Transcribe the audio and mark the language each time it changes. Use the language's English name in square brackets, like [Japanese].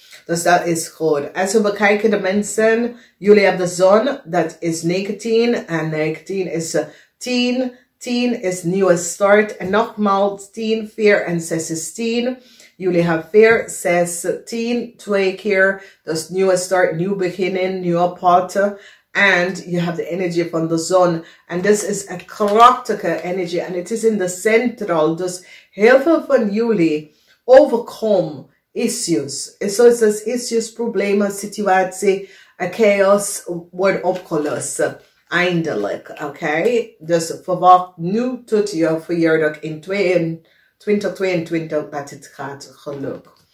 [Dutch] Dus dat is goed. En zo bekijken de mensen. Jullie hebben de zon, dat is 19. En 19 is 10. 10 is nieuwe start. En nogmaals 10, 4 en 6 is 10. Jullie hebben 4, 6, 10, 2 keer. Dus nieuwe start, nieuw beginning, nieuwe pot. [English] And you have the energy from the sun. And this is a karaktika energy. And it is in the central. [Dutch] Dus heel veel van jullie [English] overcome issues. So it says issues, [Dutch] problemen, situatie, [English] a chaos, [Dutch] word opgelost. Eindelijk. [English] Okay? [Dutch] Dus verwacht nu tot je verjaardag in 2022 dat het gaat gelukken.